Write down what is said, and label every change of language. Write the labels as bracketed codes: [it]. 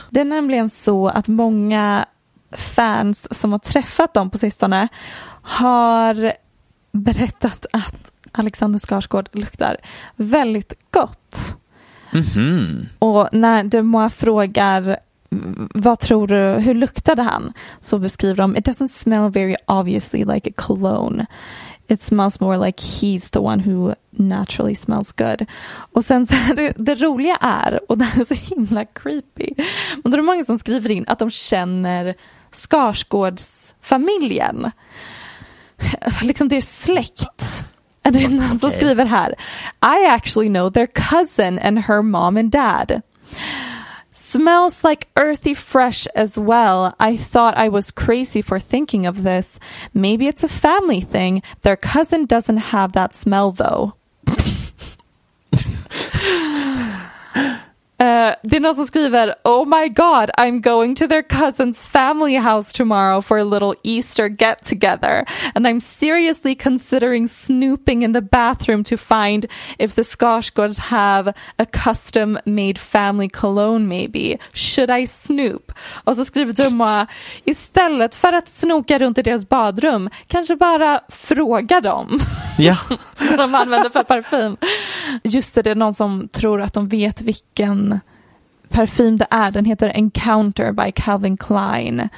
[sv] Det är nämligen så att många fans som har träffat dem på sistone har berättat att Alexander Skarsgård luktar väldigt gott. Mm-hmm. Och när du må frågar... Vad tror du, hur luktade han? Så beskriver de, [en] it doesn't smell very obviously like a cologne. It smells more like he's the one who naturally smells good. [sv] Och sen så här, det roliga är, och det är så himla creepy. Men det är många som skriver in att de känner Skarsgårdsfamiljen. Liksom det är släkt. Och det är någon som skriver här, [en] I actually know their cousin and her mom and dad. Smells like earthy fresh as well. I thought I was crazy for thinking of this. Maybe it's a family thing. Their cousin doesn't have that smell though. [sv] Det är någon som skriver, [en] oh my god, I'm going to their cousin's family house tomorrow for a little Easter get together. And I'm seriously considering snooping in the bathroom to find if the Skarsgårds have a custom made family cologne maybe. Should I snoop? [sv] Och så skriver Dumois, istället för att snoka runt i deras badrum, kanske bara fråga dem. Ja. De använder för parfym. Just det, det är någon som tror att de vet vilken parfym det är. Den heter Encounter by Calvin Klein.